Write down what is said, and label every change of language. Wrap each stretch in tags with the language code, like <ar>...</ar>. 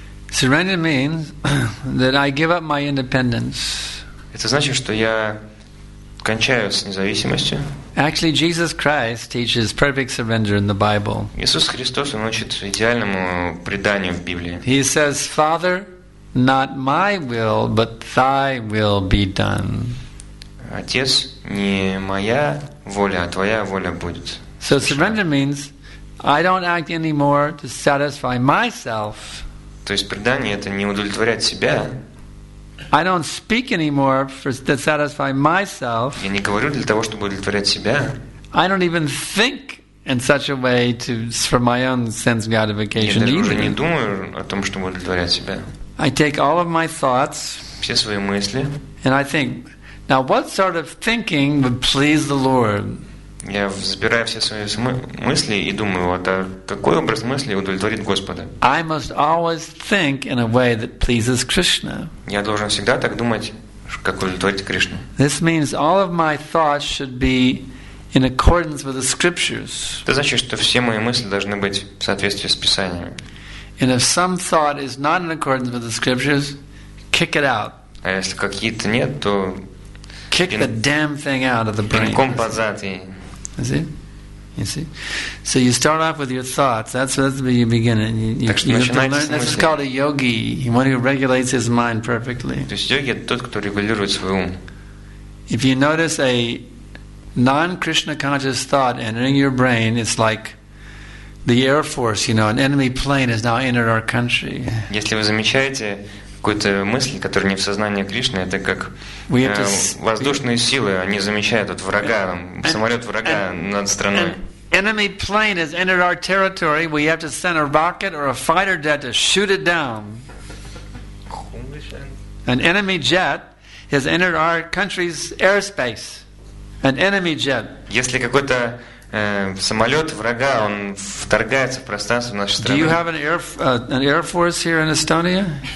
<en>Surrender means that I give up my independence.</en> <ru>Это значит, что я кончаю с независимостью.</ru> <en>Actually, Jesus Christ teaches perfect surrender in the Bible.</en> <ru>Иисус Христос учит идеальному преданию в Библии.</ru> <en>He says, "Father, not my will, but Thy will be done."</en> <ru>Отец, не моя воля, а твоя воля будет.</ru> <en>So surrender means I don't act anymore to satisfy myself.</en> <ru>То есть предание это не удовлетворять себя.</ru> <en>I don't speak anymore for to satisfy myself.</en> <ru>Я не говорю для того, чтобы удовлетворять себя.</ru> <en>I don't even think in such a way to for my own sense gratification.</en> <ru>Я даже не думаю о том, чтобы удовлетворять себя.</ru> <en>I take all of my thoughts.</en> <ru>Все свои мысли.</ru> <en>And I think, now what sort of thinking would please the Lord?</en> <ru>Я взбираю все свои мысли и думаю, вот, а какой образ мысли удовлетворит Господа?</ru> <en>I must always think in a way that pleases Krishna.</en> <ru>Я должен всегда так думать, как удовлетворит Кришну.</ru> <en>This means all of my thoughts should be in accordance with the scriptures.</en> <ru>Это значит, что все мои мысли должны быть в соответствии с Писанием.</ru> <en>And if some thought is not in accordance with the scriptures, kick it out.</en> <ru>А если какие-то нет, то</ru> <en>kick the damn thing out of the brain.</en> <ru>Пинком по зад и</ru> <en>You see? So you start off with your thoughts. That's where you begin. And you have to learn. This is called a yogi. One who regulates his mind perfectly.</en> <ru>То есть йоги это тот, кто регулирует свой ум.</ru> <en>If you notice a non-Krishna conscious thought entering your brain, it's like the Air Force, you know, an enemy plane has now entered our country.</en> <ru>Если вы замечаете какую-то мысль, которая не в сознании Кришны, это как воздушные силы, они замечают вот, врага, самолет врага над страной.</ru> <en>Enemy plane has entered our territory. We have to send a rocket or a fighter jet to shoot it down. An enemy jet has entered our country's airspace. An enemy jet.</en> <ru>Если какой-то самолет врага, он вторгается в пространство нашей страны.</ru> <en>Do you have an air force here in Estonia?</en>